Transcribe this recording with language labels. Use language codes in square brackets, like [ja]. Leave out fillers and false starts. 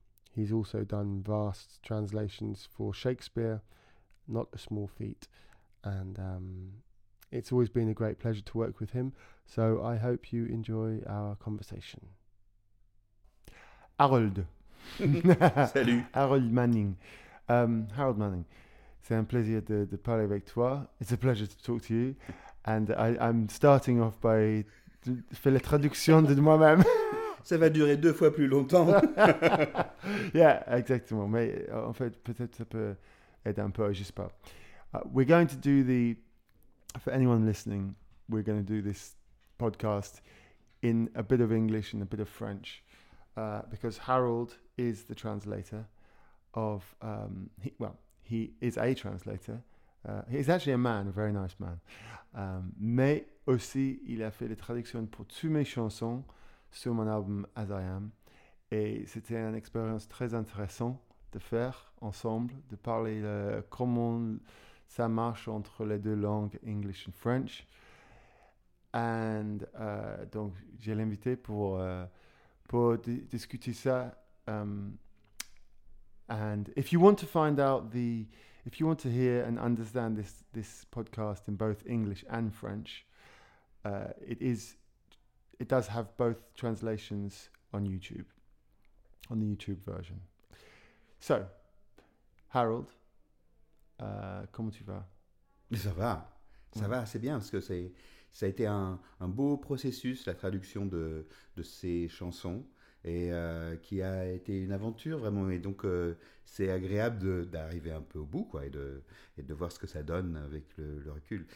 [en] He's also done vast translations for Shakespeare, not a small feat, and it's always been a great pleasure to work with him, so I hope you enjoy our conversation. Harold. [fr] Salut. Harold Manning. Harold Manning, c'est un plaisir de parler avec toi. [en] It's a pleasure to talk to you. And I'm starting off by [fr] faire la traduction de moi-même. Ça va durer deux fois plus longtemps. Yeah, exactement. Mais en fait, peut-être ça peut aider un peu, je sais pas. [en] We're going to do the... For anyone listening, we're going to do this podcast in a bit of English and a bit of French, because Harold is the translator of... he is a translator. He's actually a man, a very nice man. [fr] Mais aussi, il a fait les traductions pour toutes mes chansons sur mon album As I Am. Et c'était une expérience très intéressante de faire ensemble, de parler comment... Ça marche entre les deux langues, [en] English and French. And [fr] donc, j'ai l'invité pour discuter ça. [en] And if you want to find out if you want to hear and understand this podcast in both English and French, it does have both translations on YouTube, on the YouTube version. So, [fr] Harold. Comment tu vas? Ça va assez bien, parce que ça a été un beau processus, la traduction de ces chansons, et qui a été une aventure vraiment. Et donc, c'est agréable d'arriver un peu au bout, quoi, et de voir ce que ça donne avec le recul.